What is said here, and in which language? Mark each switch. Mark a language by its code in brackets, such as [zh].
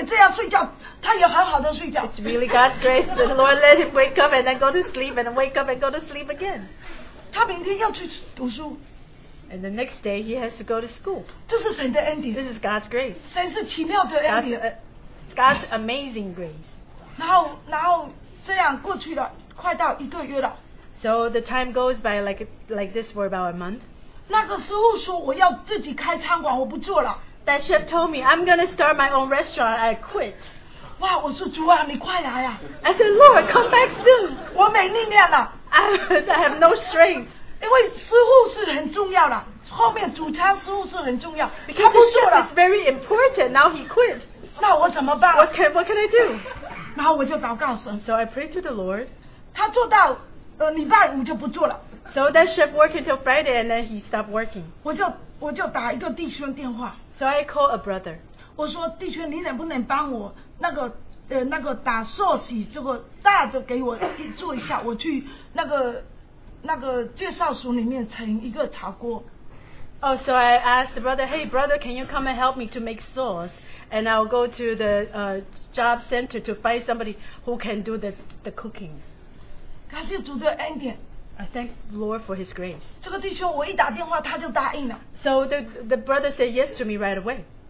[zh] 是神的恩典，所以神也跟他这样起来，也这样睡觉，他也好好的睡觉。 [en] It's really God's grace. The Lord let him wake up and then go to sleep and wake up and go to sleep again. [zh] 他明天要去读书。 [en] And the next day, he has to go to school. [zh] 这是神的恩典, [en] this is God's grace. [zh] 神是奇妙的恩典, [en] God's amazing grace. [zh] 然后这样过去了，快到一个月了。 [en] So the time goes by like this for about a month. [zh] 那个师傅说我要自己开餐馆，我不做了。 [en] That chef told me, I'm going to start my own restaurant, I quit. [zh] 哇，我说主啊，你快来啊。 [en] I said, Lord, come back soon. [zh] 我没力量了。 [en] I have no strength. [zh] 因为师傅是很重要的，后面主餐师傅是很重要。 [en] Because the chef is very important, now he quit. [zh] 那我怎么办？ [en] What can I do? [zh] 然后我就祷告神。 [en] So I prayed to the Lord. [zh] 他做到礼拜五就不做了。 [en] So that chef worked until Friday and then he stopped working. [zh] 我就打一个弟兄电话。 [en] So I called a brother. [zh] 我说弟兄你能不能帮我那个打寿喜这个大的给我做一下我去那个介绍所里面盛一个茶锅。 [en] Oh, so I asked the brother, hey brother, can you come and help me to make sauce? And I'll go to the job center to find somebody who can do the cooking. I thank the Lord for his grace. [zh] 这个弟兄我一打电话他就答应了。 [en] So the brother said yes to me right away.